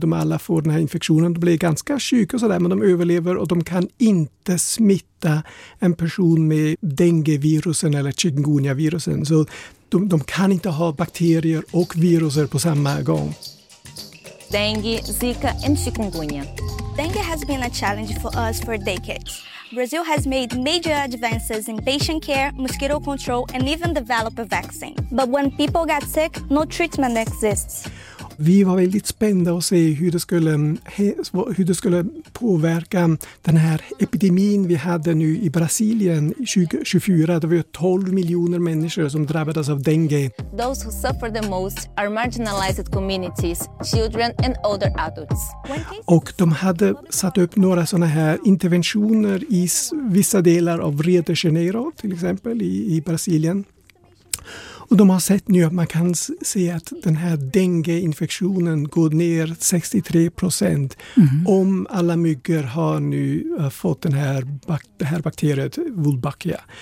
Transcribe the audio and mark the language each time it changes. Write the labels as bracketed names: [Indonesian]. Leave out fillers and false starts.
[Swedish] De alla får den här infektionen. De blir ganska sjuka och sådär, men de överlever och de kan inte smitta en person med dengue-virusen eller chikungunya-virusen. Så de kan inte ha bakterier och viruser på samma gång. [English] Dengue, Zika, and chikungunya. Dengue has been a challenge for us for decades. Brazil has made major advances in patient care, mosquito control, and even developed a vaccine. But when people get sick, no treatment exists. [Swedish] Vi var väldigt spända att se hur det skulle påverka den här epidemin vi hade nu i Brasilien 2024. Det var 12 miljoner människor som drabbades av dengue. [English] Those who suffer the most are marginalized communities, children and older adults. [Swedish] Och de hade satt upp några såna här interventioner i vissa delar av Rio de Janeiro till exempel i Brasilien. Och de har sett nu att man kan se att den här dengue-infektionen går ner 63% om alla myggor har nu fått det här bakteriet Wolbachia.